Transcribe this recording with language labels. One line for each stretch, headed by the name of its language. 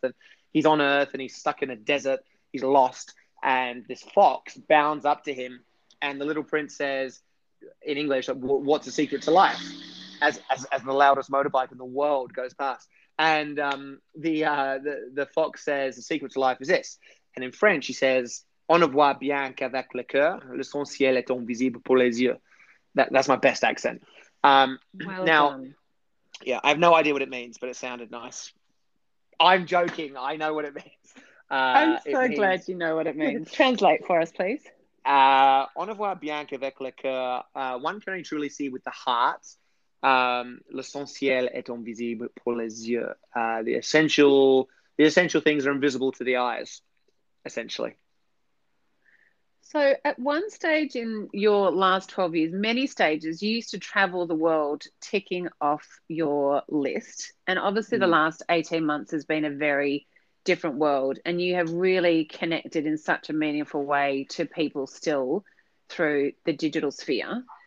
English: And he's on Earth and he's stuck in a desert. He's lost. And this fox bounds up to him, and the little prince says in English, what's the secret to life? As the loudest motorbike in the world goes past. And the fox says, the secret to life is this. And in French, he says,
French: on ne voit bien qu'avec le cœur, l'essentiel est invisible pour les yeux.
English: That's my best accent. I have no idea what it means, but it sounded nice. I'm joking. I know what it means. Glad you know what it means. Translate for us, please.
French: On ne voit bien qu'avec le cœur.
English: One can only truly see with the heart.
French: L'essentiel est invisible pour les yeux.
English: The essential things are invisible to the eyes, essentially. So at one stage in your last 12 years, many stages, you used to travel the world ticking off your list. And obviously the last 18 months has been a very different world, and you have really connected in such a meaningful way to people still through the digital sphere.